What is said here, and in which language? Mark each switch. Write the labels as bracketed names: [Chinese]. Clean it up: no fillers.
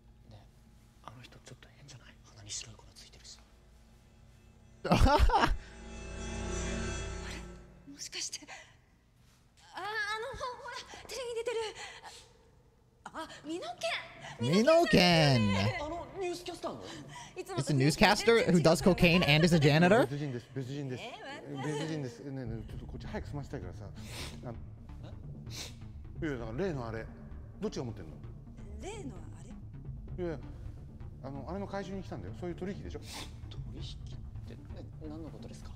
[Japanese] ね、あの人ちょっと変じゃない？鼻に白い粉ついてるし。あれ、もしかして、あ、あの、ほら、テレビに出てる。あ、ミノケン。ミノケン。あのニュースキャスターの。 [English] It's a newscaster who does cocaine and is a janitor? [Japanese] 別人です、別人です。別人です。ねえねえ、ちょっとこっち早く済ませたいからさ。あの、いや、だから例のあれ、どっちが持ってんの？例のあれ？いや、あの、あれの回収に来たんだよ。そういう取引でしょ。取引って、何のことですか？